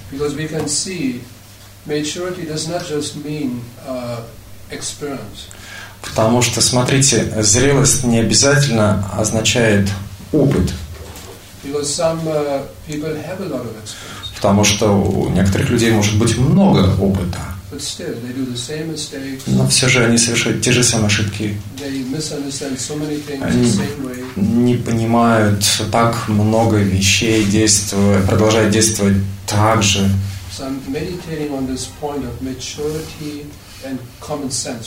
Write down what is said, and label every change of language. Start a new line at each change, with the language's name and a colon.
English: Because we can see maturity does not just mean experience.
Russian: Потому что, смотрите, зрелость не обязательно означает опыт.
English: Because some people have a lot of experience.
Russian: Потому что у некоторых людей может быть много опыта.
English: But still, they do the same mistakes.
Russian: Но все же они совершают те же самые ошибки.
English: They misunderstand so many things
Russian: они
English: the same way.
Russian: Не понимают так много вещей, продолжают действовать так же.
English: Some meditating on this point of maturity and common sense.